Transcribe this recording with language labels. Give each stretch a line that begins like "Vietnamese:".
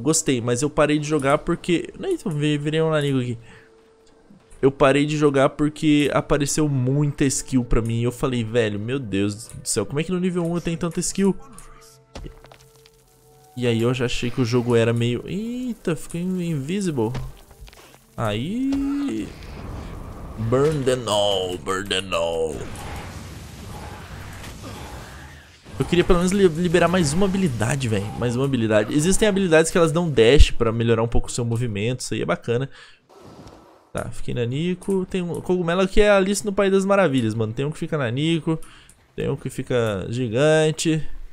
Portuguese: Gostei, mas eu parei de jogar porque... Eita, virei um narigo aqui. Eu parei de jogar porque apareceu muita skill pra mim. Eu falei, velho, meu Deus do céu, como é que no nível 1 eu tenho tanta skill? E aí eu já achei que o jogo era meio... Eita, ficou invisible. Aí...
English: Burn them all, burn them all.
Portuguese: Eu queria pelo menos liberar mais uma habilidade, velho. Mais uma habilidade. Existem habilidades que elas dão dash pra melhorar um pouco o seu movimento. Isso aí é bacana. Tá, fiquei na Nico. Tem um cogumelo que é Alice no País das Maravilhas, mano. Tem um que fica na Nico. Tem um que fica gigante.